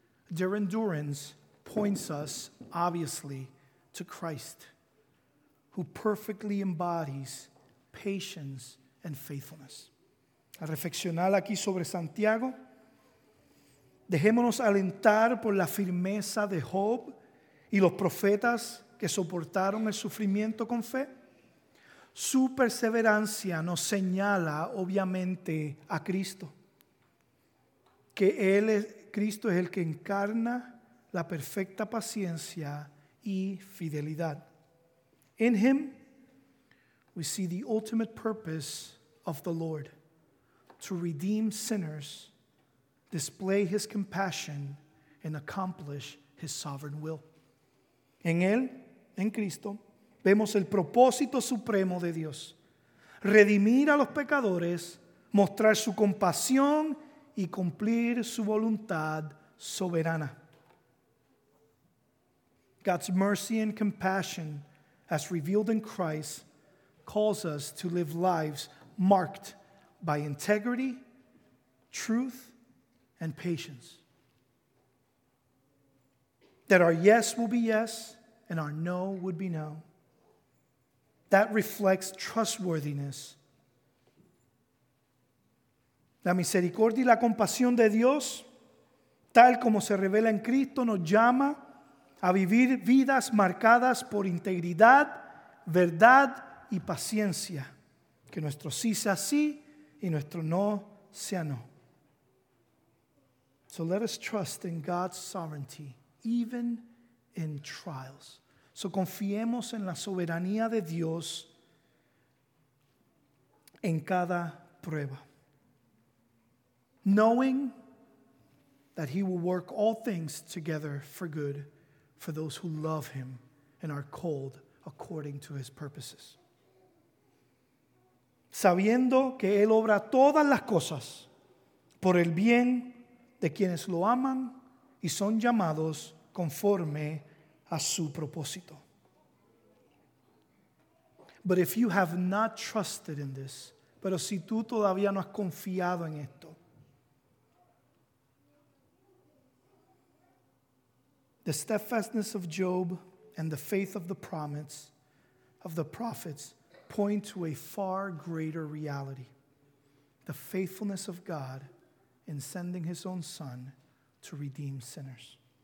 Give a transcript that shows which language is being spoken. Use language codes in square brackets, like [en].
[en] Their endurance points us, obviously, to Christ, who perfectly embodies patience and faithfulness. [es] Al reflexionar aquí sobre Santiago, dejémonos alentar por la firmeza de Job y los profetas que soportaron el sufrimiento con fe. Su perseverancia nos señala, obviamente, a Cristo, que Él es, Cristo es el que encarna la perfecta paciencia y fidelidad. [en] In him, we see the ultimate purpose of the Lord, to redeem sinners display his compassion, and accomplish his sovereign will. [es] En él, en Cristo, vemos el propósito supremo de Dios. Redimir a los pecadores, mostrar su compasión, y cumplir su voluntad soberana. [en] God's mercy and compassion, as revealed in Christ, calls us to live lives marked by integrity, truth, and patience. That our yes will be yes, and our no would be no. That reflects trustworthiness. [es] La misericordia y la compasión de Dios, tal como se revela en Cristo, nos llama a vivir vidas marcadas por integridad, verdad y paciencia. Que nuestro sí sea sí y nuestro no sea no. [en] So let us trust in God's sovereignty, even in trials. [es] So confiemos en la soberanía de Dios en cada prueba. [en] Knowing that he will work all things together for good for those who love him and are called according to his purposes. [es] Sabiendo que él obra todas las cosas por el bien de quienes lo aman y son llamados conforme a su propósito. [en] But if you have not trusted in this, [es] pero si tú todavía no has confiado en esto, [en] the steadfastness of Job and the faith of the promise of the prophets point to a far greater reality, the faithfulness of God in sending his own son to redeem sinners.